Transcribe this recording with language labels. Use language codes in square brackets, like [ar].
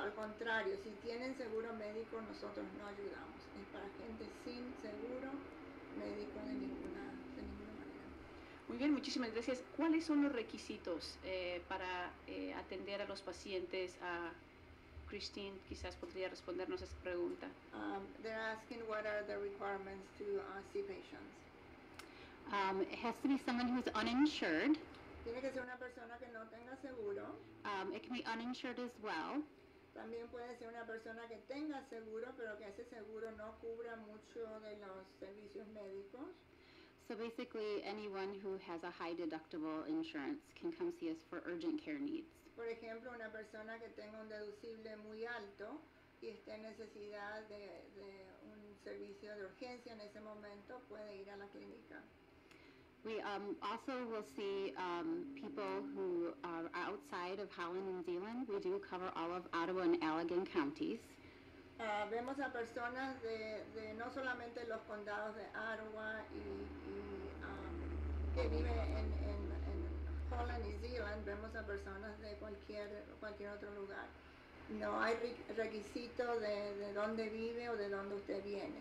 [es] Al contrario, si tienen seguro médico, nosotros no ayudamos. Es para gente sin seguro médico de ninguna manera. Muy bien, muchísimas gracias. ¿Cuáles son los requisitos para atender a los pacientes? Christine, quizás podría respondernos a esa pregunta. [en] They're asking what are the requirements to see patients. It has to be someone who's uninsured. [es] Tiene que ser una persona que no tenga seguro. [en] It can be uninsured as well. [es] También puede ser una persona que tenga seguro, pero que ese seguro no cubra mucho de los servicios médicos. [en] So basically, anyone who has a high deductible insurance can come see us for urgent care needs. [es] Por ejemplo, una persona que tenga un deducible muy alto y esté en necesidad de un servicio de urgencia en ese momento, puede ir a la clínica. [en] We also will see people who are outside of Holland and Zeeland. We do cover all of Ottawa and Allegan counties. [es] Vemos a personas de no solamente los condados de Ottawa y que vive en Holland y Zeeland, vemos a personas de cualquier otro lugar. No hay requisito de dónde vive o de dónde usted viene.